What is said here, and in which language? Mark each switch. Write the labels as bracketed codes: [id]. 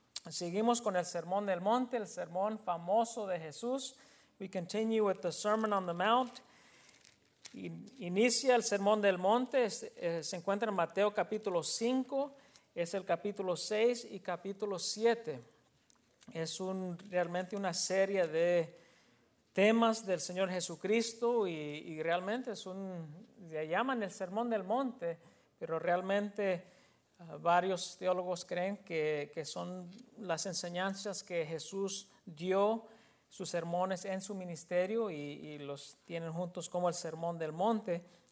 [es] Seguimos con el Sermón del Monte, el sermón famoso de Jesús. [en] We continue with the Sermon on the Mount. [es] Inicia el Sermón del Monte, se encuentra en Mateo capítulo 5, es el capítulo 6 y capítulo 7. Es realmente una serie de temas del Señor Jesucristo y realmente le llaman el Sermón del Monte, pero realmente varios teólogos creen que son las enseñanzas que Jesús dio, sus sermones en su ministerio y los tienen juntos como el Sermón del Monte.